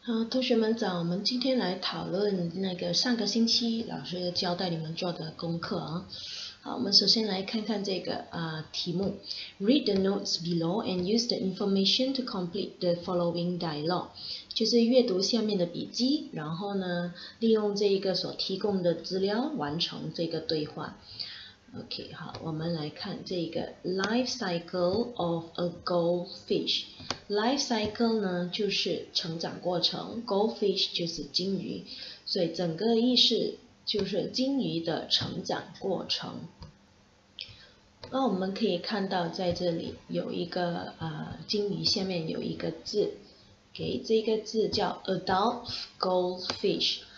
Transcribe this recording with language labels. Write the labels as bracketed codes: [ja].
[zh] 同学们早，我们今天来讨论那个上个星期老师交代你们做的功课啊。好，我们首先来看看这个题目。 [en] Read the notes below and use the information to complete the following dialogue. [zh] 就是阅读下面的笔记，然后呢，利用这一个所提供的资料完成这个对话。 OK， 好，我们来看这一个 [en] life cycle of a goldfish。 [zh] Life cycle 呢，就是成长过程 ，goldfish 就是鲸鱼，所以整个意思就是鲸鱼的成长过程。那我们可以看到在这里有一个鲸鱼下面有一个字，给这个字叫 [en] adult goldfish。